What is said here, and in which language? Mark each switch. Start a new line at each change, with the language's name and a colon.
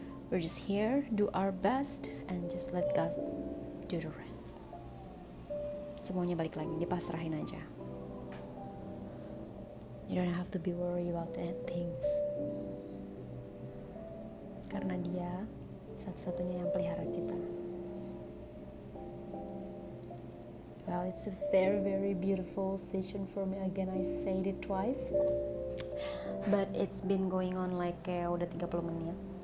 English: We're just here, do our best, and just let God do the rest.
Indonesian: Semuanya balik lagi, dipasrahin aja.
English: You don't have to be worried about the things.
Indonesian: Karena dia satu-satunya yang pelihara kita.
English: Well, it's a very, very beautiful session for me. Again, I said it twice, but it's been going on like
Indonesian: udah 30 menit.